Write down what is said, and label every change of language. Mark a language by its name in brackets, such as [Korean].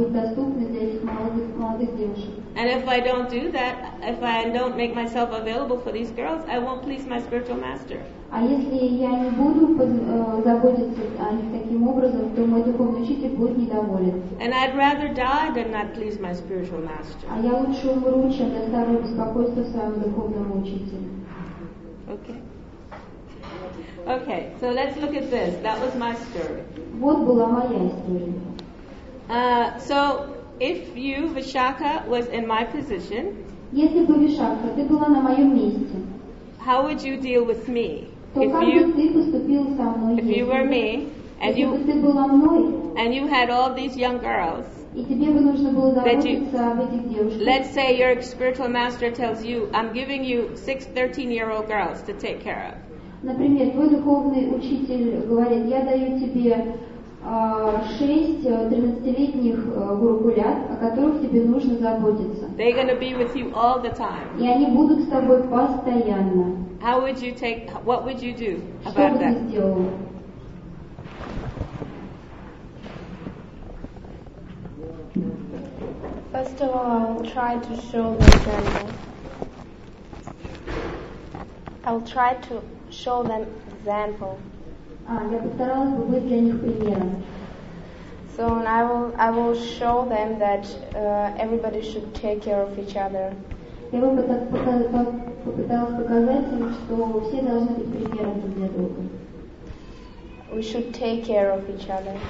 [English] And if I don't do that, if I don't make myself available for these girls, I won't please my spiritual master. [Russian] А если я не буду заботиться о них таким образом, то мой духовный учитель будет недоволен. [English] And I'd rather die than not please my spiritual master. [Russian] А я лучше умру, чем доставлю беспокойство своему духовному учителю. [English] Okay, so let's look at this. That was my story. [Russian] Вот была моя история. [English] So if you, Vishakha, was in my position, [Russian] если бы Вишакха, ты была на моем месте, [English] how would you deal with me? [Russian] То [English] if [Russian] как [English] you, [Russian] бы ты поступил со мной, [English] if you were me, and [Russian] если бы ты была мной, [English] and you had all these young girls, [Russian] и тебе бы нужно было заботиться об этих девушках. [English] Let's say your spiritual master tells you, I'm giving you 6 13-year-old girls to take care of. [Russian] Например, твой духовный учитель говорит, я даю тебе 6 13-летних гуркулят, о которых тебе нужно заботиться. [English] They're going to be with you all the time. [Russian] И они будут с тобой постоянно. [English] How would you take, what would you do about that? [Russian] Что бы ты сделала? [English] First of all, I'll try to show them Zen. I'll try to show them example. [Russian] Я постаралась бы быть для них примером. [English] So I will show them that everybody should take care of each other. [Russian] Я бы попыталась показать им, что все должны быть примером друг для друга. [English] We should take care of each other.